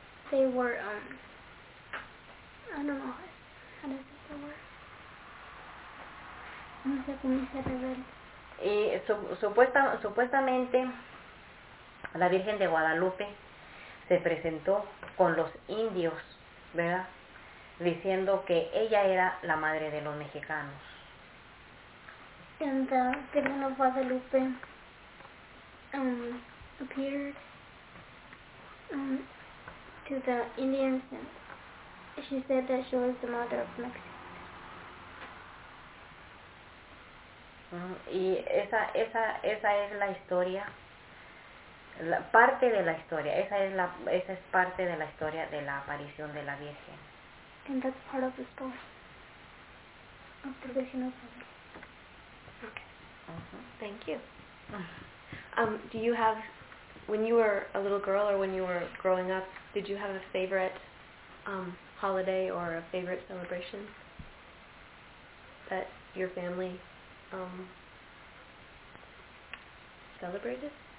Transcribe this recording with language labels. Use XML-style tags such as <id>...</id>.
<en>They were I don't know how to say the word.</en> <es>No sé cómo se rebelde. Y supuestamente la Virgen de Guadalupe se presentó con los indios, ¿verdad? Diciendo que ella era la madre de los mexicanos.</es> <en>And the Virgin of Guadalupe appeared to the Indians and she said that she was the mother of Mexico.</en> <es>Y esa es la historia. Parte de la historia, esa es parte de la historia de la aparición de la Virgen.</es> <en>And that's part of the story of the Virgin of Guadalupe. Thank you. Do you have, when you were a little girl or when you were growing up, did you have a favorite holiday or a favorite celebration that your family celebrated?</en>